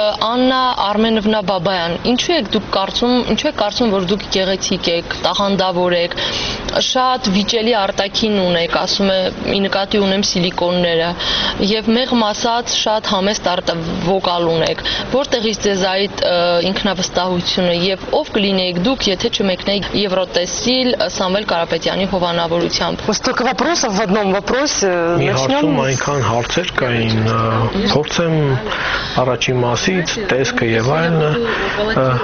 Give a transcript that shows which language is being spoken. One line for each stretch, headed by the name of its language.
Armenian: Աննա Արմենովնա Բաբայան, ինչու եք դուք կարծում, ինչու եք կարծում, որ դուք գեղեցիկ եք, տաղանդավոր եք, շատ վիճելի արտաքին ունեք, ասում է, ի նկատի ունեմ սիլիկոնները, և մեղմ ասած շատ համեստ արտ-վոկալ ունեք, որտեղից ձեզ այդ ինքնավստահությունը, և ով կլինեիք դուք, եթե չմեկնեիք Եվրոտեսիլ Սամվել Կարապետյանի հովանավորությամբ։
Russian: Столько вопросов в одном вопросе, начнём
Armenian: այնքան հարցեր կային, փորձեմ առաջի մասից տեսքը եւ այլն